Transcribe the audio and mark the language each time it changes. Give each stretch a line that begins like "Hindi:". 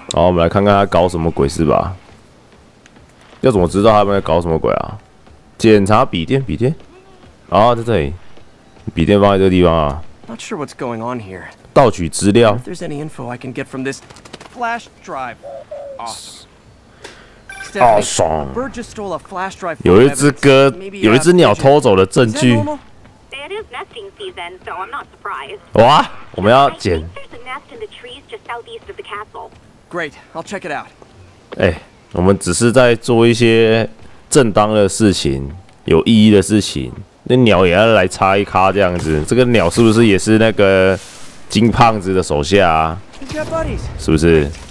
Chinese: 好，我们来看看他搞什么鬼事吧。要怎么知道他们在搞什么鬼啊？检查笔电，笔电啊，在这里，笔电放在这个地方啊。
English: Not sure what's going on here.
Chinese: 盗取资料。
English: If there's any info I can get from this flash drive, awesome. A bird just stole a flash drive.
Chinese: 有一只鸽，有一只鸟偷走了证据。
English: It is nesting season, so I'm not surprised.
Chinese: 哇，我们要捡。
English: There's a nest in the trees just southeast of the castle. Great, I'll check it out. 哎。
Chinese: 我们只是在做一些正当的事情，有意义的事情。那鸟也要来插一卡这样子。这个鸟是不是也是那个金胖子的手下啊？是不是？